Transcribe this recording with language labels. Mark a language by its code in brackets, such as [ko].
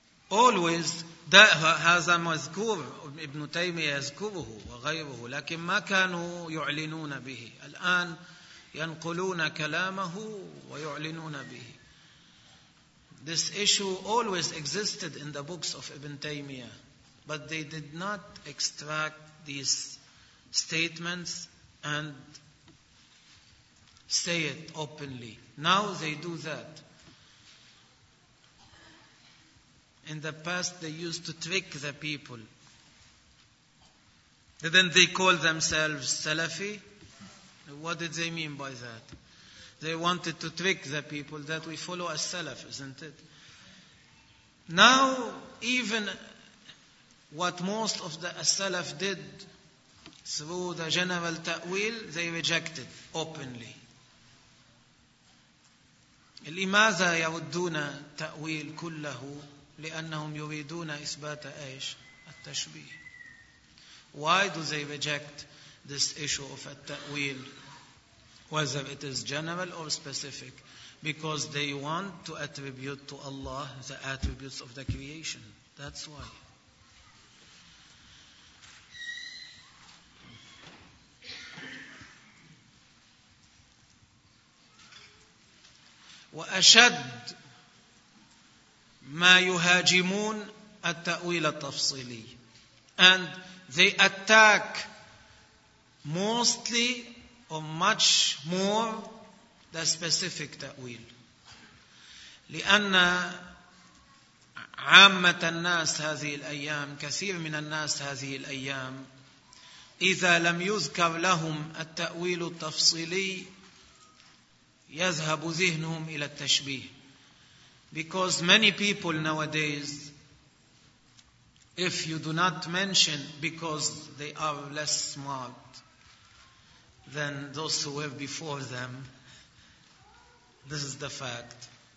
[ar] Always, هذا مذكور ابن تيمية يذكره وغيره لكن ما كانوا يعلنون به الآن ينقلون كلامه ويعلنون به. [en] This issue always existed in the books of Ibn Taymiyyah, but they did not extract these statements and say it openly. Now they do that. In the past, they used to trick the people. Didn't they call themselves Salafi? What did they mean by that? They wanted to trick the people that we follow as Salaf, isn't it? Now, even what most of the Salaf did through the general ta'wil, they rejected openly. [ar] لماذا يردون تأويل كله؟ لأنهم يريدون إثبات إيش؟ التشبيه. [en] Why do they reject this issue of التأويل, whether it is general or specific? Because they want to attribute to Allah the attributes of the creation. That's why. [ar] وأشد ما يهاجمون التأويل التفصيلي. [en] And they attack mostly or much more the specific تأويل. [ar] لأن عامة الناس هذه الأيام, كثير من الناس هذه الأيام, إذا لم يذكر لهم التأويل التفصيلي يذهب ذهنهم إلى التشبيه. [en] Because many people nowadays, if you do not mention, because they are less smart than those who were before them, this is the fact.